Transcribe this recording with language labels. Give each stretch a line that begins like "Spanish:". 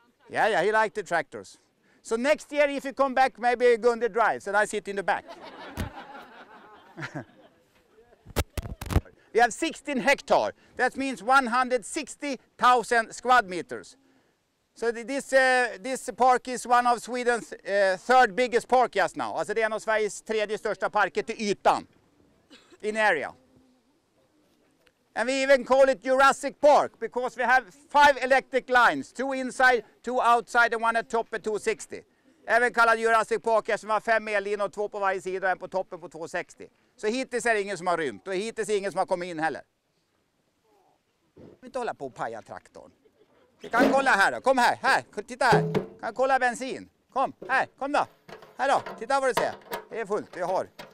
English: Yeah, he liked the tractors. So next year if you come back maybe Gunde drives and I sit in the back. We have 16 hectares. That means 160,000 square meters. So this park is one of Sweden's third biggest park just now.
Swedish: Alltså det är en av Sveriges tredje största parker till ytan.
English: In area. And we even call it Jurassic Park because we have 5 electric lines. 2 inside, 2 outside and 1 at top at 260.
Swedish: Även kallad Jurassic Park eftersom vi har 5 ellinor och 2 på varje sida och en på toppen på 260. Så hittills är det ingen som har rymt och hittills är det ingen som har kommit in heller. Vi inte hålla på och paja traktorn. Vi kan kolla här då. Kom här, här. Titta här. Kan kolla bensin. Kom, här. Kom då. Här då. Titta vad du ser. Det är fullt. Vi har.